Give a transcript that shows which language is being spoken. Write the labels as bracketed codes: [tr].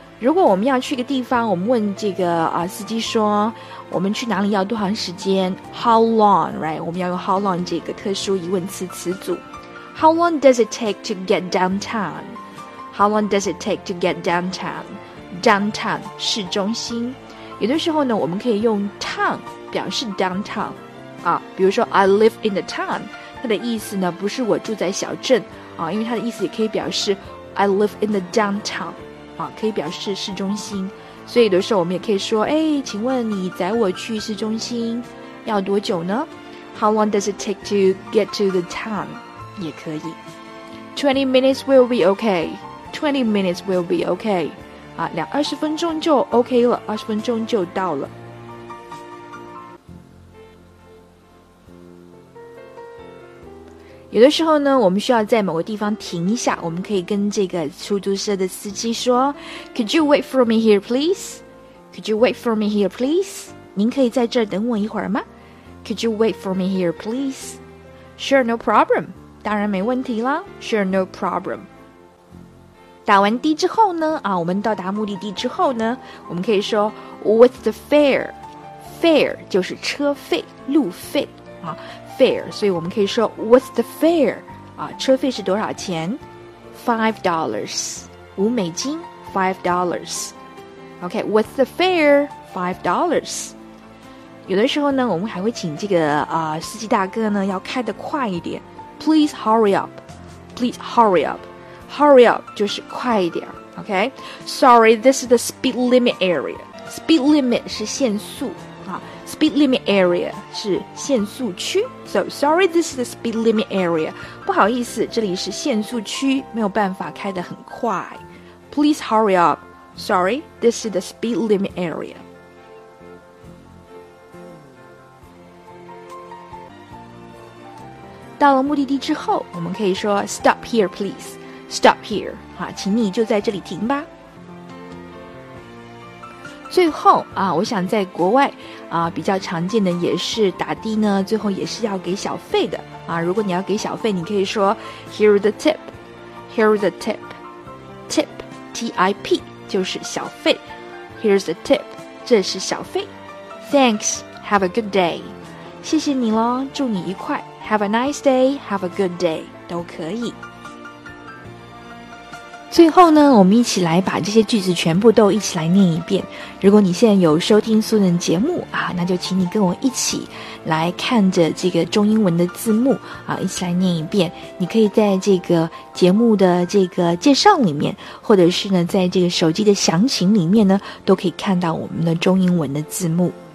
[zh] 如果我们要去个地方，我们问这个司机说，我们去哪里要多长时间 ？ [en] How long, right? [zh] 我们要用 how long 这个特殊疑问词词组。 [en] How long does it take to get downtown? How long does it take to get downtown? [zh] Downtown 市中心，有的时候呢，我们可以用 town 表示 downtown 啊，比如说 [en] I live in the town， [zh] 它的意思呢不是我住在小镇啊，因为它的意思也可以表示 [en] I live in the downtown [zh] 啊，可以表示市中心。所以有的时候我们也可以说，哎，请问你载我去市中心要多久呢 ？ [en] How long does it take to get to the town？ [zh] 也可以 [en] ，20 minutes will be okay. 20 minutes will be okay. [zh] 啊，两二十分钟就 OK 了，二十分钟就到了。有的时候呢，我们需要在某个地方停一下，我们可以跟这个出租车的司机说 ： [en] “Could you wait for me here, please? Could you wait for me here, please? [zh] 您可以在这儿等我一会儿吗 [en] ？Could you wait for me here, please? Sure, no problem. [zh] 当然没问题啦。 [en] Sure, no problem.” [zh] 打完的之后呢，啊，我们到达目的地之后呢，我们可以说 [en] What's the fare? [zh] Fare 就是车费、路费啊 ，fare。所以我们可以说 [en] What's the fare? [zh] 啊，车费是多少钱 ？$5， 五美金 ，$5。 [en] Okay, What's the fare? [zh] $5。 有的时候呢，我们还会请这个司机大哥呢要开得快一点 ， [en] Please hurry up, please hurry up. Hurry up, [zh] 就是快一点 [en] ,okay? Sorry, this is the speed limit area. Speed limit [zh] 是限速 [en] Speed limit area [zh] 是限速区 [en] So sorry, this is the speed limit area [zh] 不好意思这里是限速区没有办法开得很快 [en] Please hurry up Sorry, this is the speed limit area [zh] 到了目的地之后我们可以说 [en] stop here please stop here [zh] 好请你就在这里停吧最后啊，我想在国外啊比较常见的也是打的呢最后也是要给小费的啊。 [en] 如果你要给小费你可以说 here's the tip here's the tip tip T-I-P [zh] 就是小费 [en] here's the tip [zh] 这是小费 [en] thanks have a good day [zh] 谢谢你咯祝你愉快 [en] Have a nice day, have a good day, 都可以。 [zh] 最后呢，我们一起来把这些句子全部都一起来念一遍。如果你现在有收听苏人节目啊，那就请你跟我一起来看着这个中英文的字幕啊，一起来念一遍。你可以在这个节目的这个介绍里面，或者是呢，在这个手机的详情里面呢，都可以看到我们的中英文的字幕。